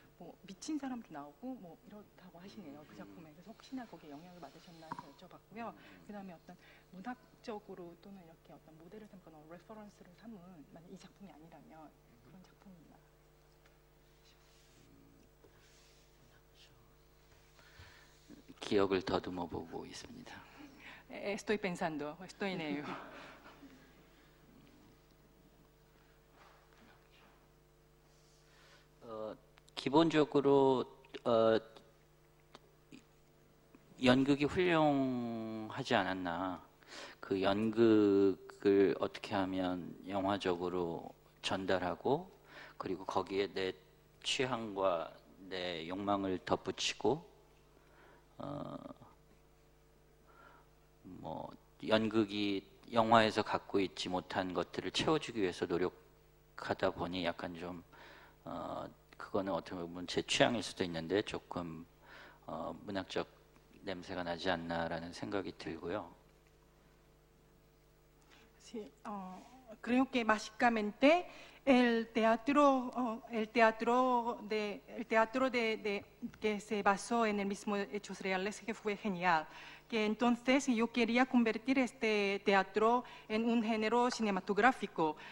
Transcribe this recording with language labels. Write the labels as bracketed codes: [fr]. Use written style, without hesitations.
[ko] 뭐 미친 사람도 나오고 뭐 이렇다고 하시네요. 그 작품에 그래서 혹시나 거기에 영향을 받으셨나 여쭤봤고요. 그다음에 어떤 문학적으로 또는 이렇게 어떤 모델을 삼거나 레퍼런스를 삼은 만약 이 작품이 아니라면 그런 작품입니다. 기억을 더듬어 보고 있습니다. [es] Estoy pensando, estoy en ello. [ko] 기본적으로 연극이 훌륭하지 않았나, 그 연극을 어떻게 하면 영화적으로 전달하고 그리고 거기에 내 취향과 내 욕망을 덧붙이고 뭐 연극이 영화에서 갖고 있지 못한 것들을 채워주기 위해서 노력하다 보니 약간 좀 그거는 어떻게 보면 제 취향일 수도 있는데 조금 문학적 냄새가 나지 않나라는 생각이 들고요. [es] Sí, creo que básicamente el teatro de que se basó en el mismo hechos reales que fue genial. Que entonces yo quería convertir este teatro en un género cinematográfico.